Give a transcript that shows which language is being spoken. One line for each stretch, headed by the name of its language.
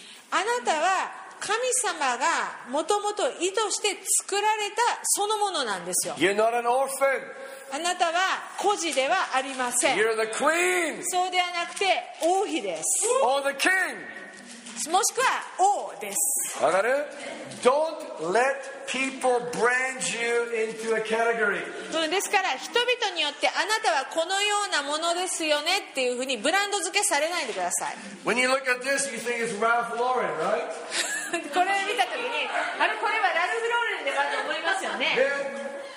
Japanese: あなたは神様がもともと意図して作られたそのものなんですよ。
English: You're not an orphan.
Japanese: あなたは孤児ではありません。
English: You're the queen.
Japanese: そうではなくて王妃です。
English: Or the king.
Japanese: もしくは王です。わかる？
English: Don't let people brand you into a category.
Japanese: ですから人々によってあなたはこのようなものですよねっていうふうにブランド付けされないでください。
English: When you look at this, you think it's Ralph Lauren, right?
Japanese: これを見たときに、あれ、これはラルフ・ローレンではと思いますよね。